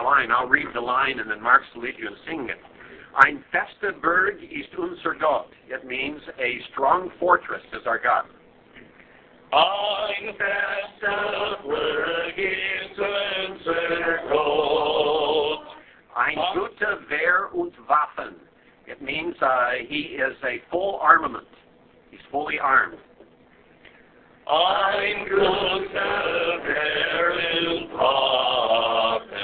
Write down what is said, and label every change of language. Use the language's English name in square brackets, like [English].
[English] I'll read the line and then Marx will lead you in singing. [German] Ein fester Berg ist unser Gott. [English] It means a strong fortress is our God. [German] Ein fester Berg ist unser Gott. Ein gute Wehr und Waffen. [English] It means he is a full armament. He's fully armed. [German] Ein gute Wehr und Waffen.